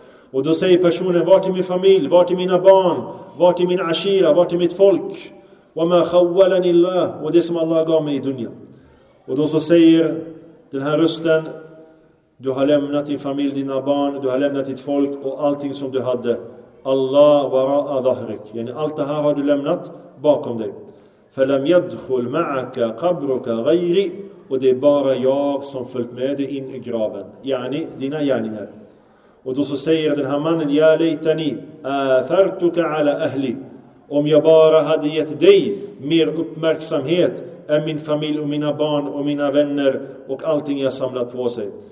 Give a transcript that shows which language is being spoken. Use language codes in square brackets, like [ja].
[sv] Och då säger personen, vart är min familj, vart är mina barn, vart är min ashira, vart är mitt folk? [ar] وَمَا خَوَّلَنِ اللَّهِ. [sv] Och det som Allah gav mig i dunya. Och då så säger den här rösten, du har lämnat din familj, dina barn, du har lämnat ditt folk och allting som du hade. [ar] Allah وَرَاءَ ذَهْرِكَ. [sv] Allt det här har du lämnat bakom dig. [ar] فَلَمْ يَدْخُلْ مَعَكَ قَبْرُكَ غَيْرِ. [sv] Och det är bara jag som följt med dig in i graven. Yani, dina gärningar. Och då så säger den här mannen, [ar] ja leitani, athartuka ala ahli, [sv] om jag bara hade gett dig mer uppmärksamhet än min familj och mina barn och mina vänner och allting jag samlat på sig.